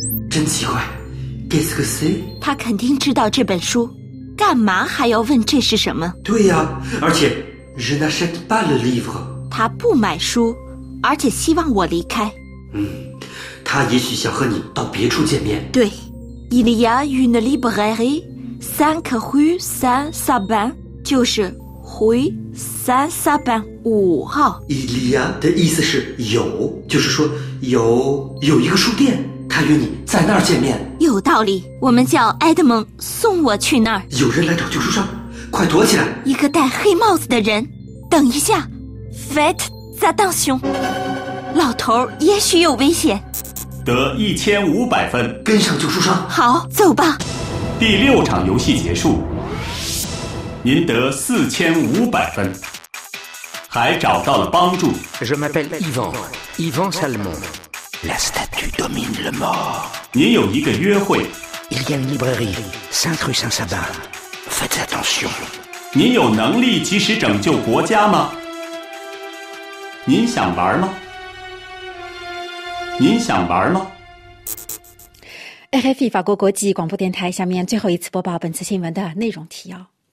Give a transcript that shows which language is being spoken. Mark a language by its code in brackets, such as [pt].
[fr] Très [zh] 奇怪, [fr] qu'est-ce que c'est? [zh] 他肯定知道这本书。干嘛还要问这是什么？对呀，而且 [fr] je n'achète pas le livre. [zh] 他不买书，而且希望我离开。他也许想和你到别处见面。对， [fr] il y a une librairie, 5 rue Saint-Sabin, [zh] 就是 [fr] rue Saint-Sabin [zh] 五号。 [fr] il y a [zh] 的意思是有，就是说有一个书店。他约你在那儿见面。有道理，我们叫埃德蒙送我去那儿。有人来找救赎商，快躲起来。一个戴黑帽子的人，等一下 [fr] faites attention， [zh] 老头也许有危险。得1500分，跟上救赎商。好，走吧。第六场游戏结束，您得4500分，还找到了帮助。 [fr] Je m'appelle Ivan, Ivan Salmon. La statue domine le mort. [zh] 您有一个约会。 [fr] Il y a une librairie, 5 rue Saint-Sabin. Faites attention. [zh] 您有能力及时拯救国家吗？您想玩吗？您想玩吗？ FFE 法国国际广播电台下面最后一次播报本次新闻的内容提要。